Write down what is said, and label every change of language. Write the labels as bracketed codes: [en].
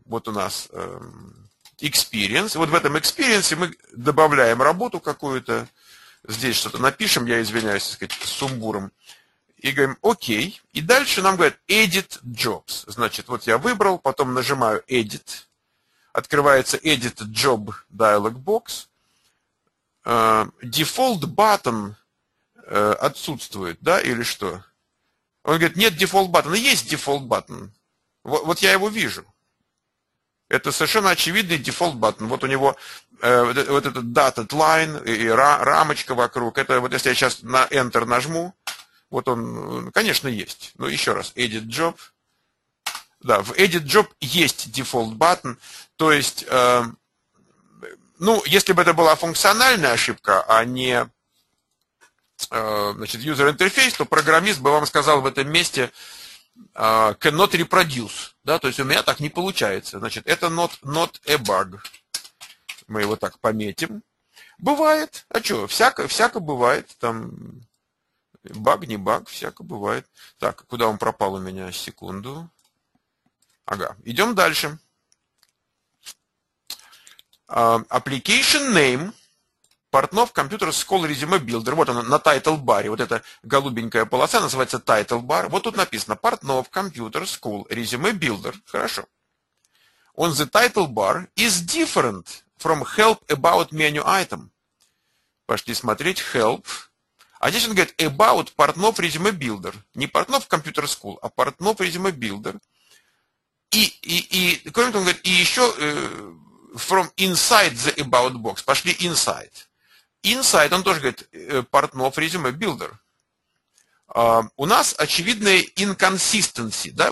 [ru] Вот у нас experience. Вот в этом experience мы добавляем работу какую-то. Здесь что-то напишем, я извиняюсь, так сказать, сумбуром. И говорим окей. И дальше нам говорят edit jobs. Значит, вот я выбрал, потом нажимаю edit. Открывается [en] edit job dialog box. [ru] Default button отсутствует, да, или что? Он говорит, нет дефолт-баттона. Есть дефолт-баттон. Вот я его вижу. Это совершенно очевидный дефолт-баттон. Вот у него вот этот dotted line и рамочка вокруг. Это вот если я сейчас на Enter нажму, вот он, конечно, есть. Но еще раз, edit job. Да, в Edit Job есть Default Button, то есть, ну, если бы это была функциональная ошибка, а не, значит, User Interface, то программист бы вам сказал в этом месте [en] cannot reproduce, [ru] да, то есть у меня так не получается, значит, это [en] not a bug. [ru] Мы его так пометим. Бывает, а что, всяко бывает, там, баг, не баг, всяко бывает. Так, куда он пропал у меня, секунду. Ага, идем дальше. [en] Application name, Портнов, Computer School Resume Builder. [ru] Вот она на title bar, вот эта голубенькая полоса называется title bar. Вот тут написано Портнов, Computer School Resume Builder. Хорошо. [en] On the title bar is different from help about menu item. [ru] Пошли смотреть help. А здесь он говорит about Портнов Resume Builder. Не Портнов Computer School, а Портнов Resume Builder. И кроме того, он говорит, и еще [en] from inside the about box. [ru] Пошли inside. Inside, он тоже говорит, Портнов Resume Builder. У нас очевидная inconsistency. Да?